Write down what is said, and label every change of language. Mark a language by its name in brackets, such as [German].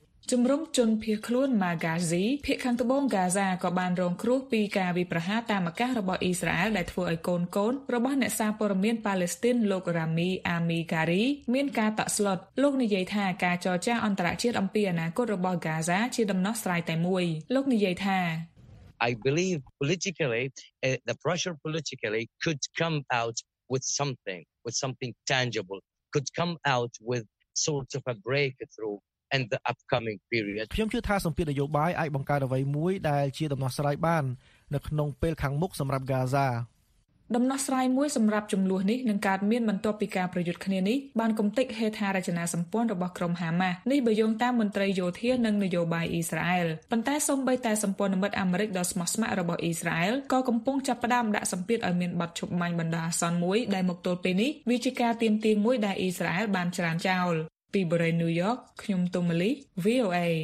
[Khmer] ជំរំជនភៀសខ្លួន Magazi ភៀសខាងត្បូង Gaza ក៏បានរងគ្រោះពីការវាយប្រហារតាមអាកាសរបស់អ៊ីស្រាអែលដែលធ្វើឲ្យកូនកូនរបស់អ្នកសារព័ត៌មានប៉ាឡេស្ទីនលោក Rami Amikari មានការតក់ស្លុតលោកនិយាយថាការចរចាអន្តរជាតិអំពីអនាគតរបស់ Gaza ជាដំណោះស្រាយតែមួយលោកនិយាយថា [English] I believe politically the pressure politically could come out with something tangible could come out with sort of a breakthrough and the upcoming period [Khmer] ខ្ញុំជឿថាសម្ពាធនយោបាយអាចបង្កើតអ្វីមួយដែលជាដំណោះស្រាយបាននៅក្នុងពេលខាងមុខសម្រាប់ Gaza ដំណោះស្រាយមួយសម្រាប់ចំនួននេះនឹងកើតមានបន្ទាប់ពីការប្រយុទ្ធគ្នានេះបានកំទេចហេដ្ឋារចនាសម្ព័ន្ធរបស់ក្រុមហាម៉ាសនេះបើយោងតាមមន្ត្រីយោធានិងនយោបាយអ៊ីស្រាអែលប៉ុន្តែសូម្បីតែសម្ព័ន្ធមិត្តអាមេរិកដ៏ស្មោះស្ម័គ្ររបស់អ៊ីស្រាអែលក៏កំពុងចាប់ផ្ដើមដាក់សម្ពាធឲ្យមានបទឈប់បាញ់បណ្ដាអាសន្នមួយដែលមកទល់ពេលនេះវាជាការទាមទារមួយដែលអ៊ីស្រាអែលបានច្រានចោលពីបរិយាណូវយ៉កខ្ញុំទុំម៉ាលី VOA